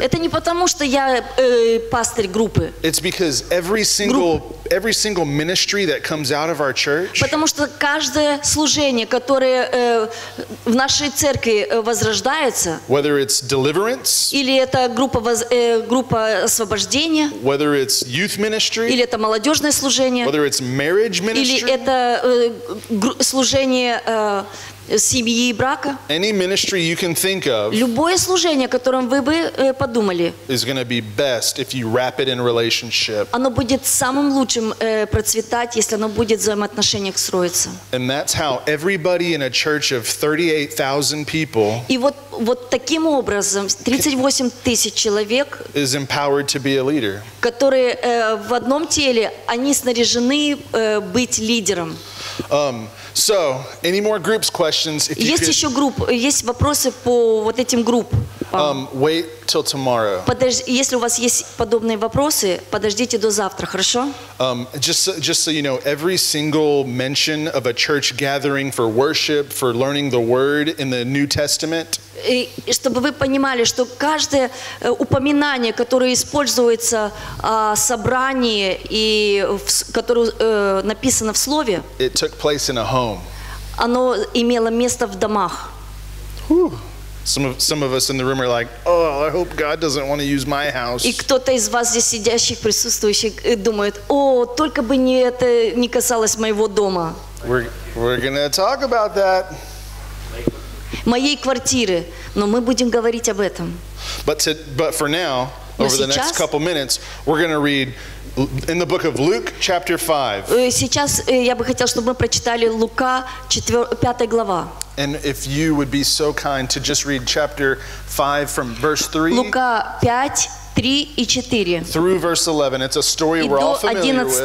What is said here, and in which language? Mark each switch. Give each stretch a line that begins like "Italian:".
Russian: Это не потому, что я пастырь группы.
English: It's because every single ministry that comes out of our church.
Russian: Потому что каждое служение, которое в нашей церкви возрождается.
English: Whether it's deliverance.
Russian: Или это группа освобождения.
English: Whether it's youth ministry,
Russian: или это молодежное служение,
English: whether it's marriage ministry,
Russian: или это служение семьи и брака,
English: any ministry you can think of,
Russian: любое служение, которым вы бы подумали,
English: is going to be best if you wrap it in relationship.
Russian: Оно будет самым лучшим процветать, если оно будет в взаимоотношениях строиться.
English: And that's how everybody in a church of 38,000 people.
Russian: И вот таким образом 38,000 человек
English: is empowered to be a leader.
Russian: Которые в одном теле, они снаряжены быть лидером.
English: So, any more groups questions?
Russian: Есть вопросы по вот этим группам.
English: Wait till tomorrow.
Russian: Если у вас есть подобные вопросы, подождите до завтра, хорошо?
English: Just so you know, every single mention of a church gathering for worship, for learning the word in the New Testament.
Russian: Чтобы вы понимали, что каждое упоминание, которое используется о собрании и которое написано в слове,
English: it took place in a home.
Russian: Оно имело место в домах.
English: Some of us in the room are like, oh, I hope God doesn't want to use my house.
Russian: И кто-то из вас здесь сидящих, присутствующих, думает, о, только бы не это не касалось моего дома.
English: We're gonna talk about that.
Russian: Моей квартиры, но мы будем говорить об этом.
English: But for now, over the next couple minutes, we're gonna read in the book of Luke, chapter 5.
Russian: Сейчас я бы хотел, чтобы мы прочитали Лука, 5 глава.
English: And if you would be so kind to just read chapter 5 from verse 3.
Russian: Лука 5, 3 и 4.
English: Through verse 11. It's a story we're all familiar with.